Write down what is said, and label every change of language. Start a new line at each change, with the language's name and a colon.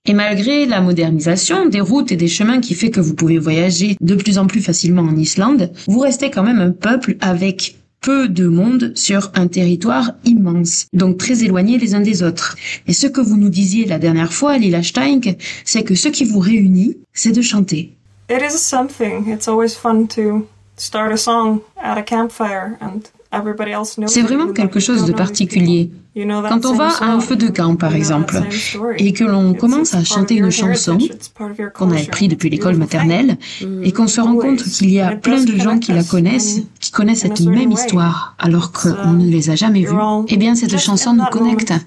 French: Et malgré la modernisation des routes et des chemins qui fait que vous pouvez voyager de plus en plus facilement en Islande, vous restez quand même un peuple avec peu de monde sur un territoire immense, donc très éloigné les uns des autres. Et ce que vous nous disiez la dernière fois à l'île Ashtanke, c'est que ce qui vous réunit, c'est de chanter.
English: It is something. It's always fun to start a song at a campfire and everybody else knows.
French: C'est vraiment quelque chose de particulier. Quand on va à un feu de camp, par exemple, et que l'on commence à chanter une chanson qu'on a appris depuis l'école maternelle, et qu'on se rend compte qu'il y a plein de gens qui la connaissent, qui connaissent cette même histoire, alors qu'on ne les a jamais vus, eh bien, cette chanson nous connecte.